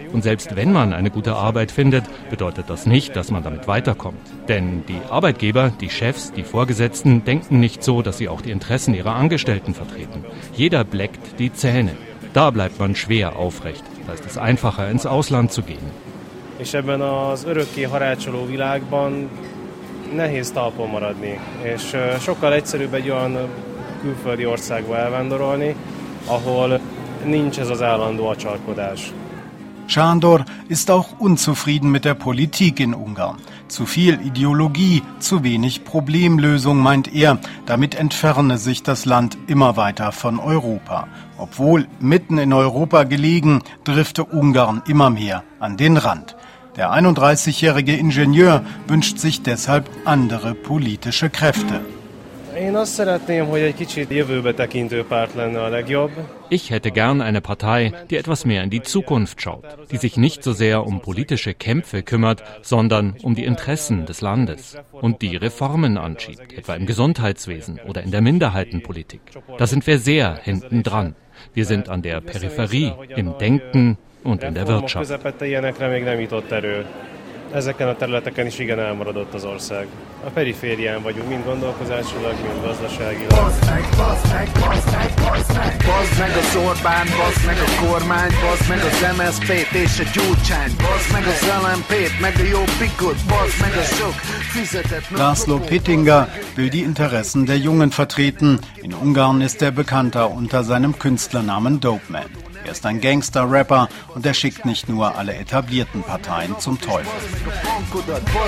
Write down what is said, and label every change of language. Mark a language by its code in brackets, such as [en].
[de] Und selbst wenn man eine gute Arbeit findet, bedeutet das nicht, dass man damit weiterkommt. Denn die Arbeitgeber, die Chefs, die Vorgesetzten denken nicht so, dass sie auch die Interessen ihrer Angestellten vertreten. Jeder bleckt die Zähne. Da bleibt man schwer aufrecht. Da ist es einfacher, ins Ausland zu gehen. [hu] És ebben az örökké harácsoló világban nehéz talpon maradni, és sokkal egyszerűbb egy olyan külföldi országba elvándorolni, ahol nincs ez az állandó acsarkodás. [de] Sándor ist auch unzufrieden mit der Politik in Ungarn. Zu viel Ideologie, zu wenig Problemlösung, meint er. Damit entferne sich das Land immer weiter von Europa. Obwohl mitten in Europa gelegen, drifte Ungarn immer mehr an den Rand. Der 31-jährige Ingenieur wünscht sich deshalb andere politische Kräfte. Ich hätte gern eine Partei, die etwas mehr in die Zukunft schaut, die sich nicht so sehr um politische Kämpfe kümmert, sondern um die Interessen des Landes und die Reformen anschiebt, etwa im Gesundheitswesen oder in der Minderheitenpolitik. Da sind wir sehr hinten dran. Wir sind an der Peripherie, im Denken und in der Wirtschaft. [hu] Ezeken a területeken is igen elmaradott az ország. A periférián vagyunk, mind gondolkozásilag, mind gazdaságilag. Bazd meg az Orbán, bazd meg a kormány, bazd meg az MSZP-t és a Gyurcsány, bazd meg az LMP-t, meg a Jobbikot, bazd meg a sok fizetett... [de] László Pittinger will die Interessen der Jungen vertreten. In Ungarn ist er bekannter unter seinem Künstlernamen Dope Man. Er ist ein Gangster-Rapper und er schickt nicht nur alle etablierten Parteien zum Teufel.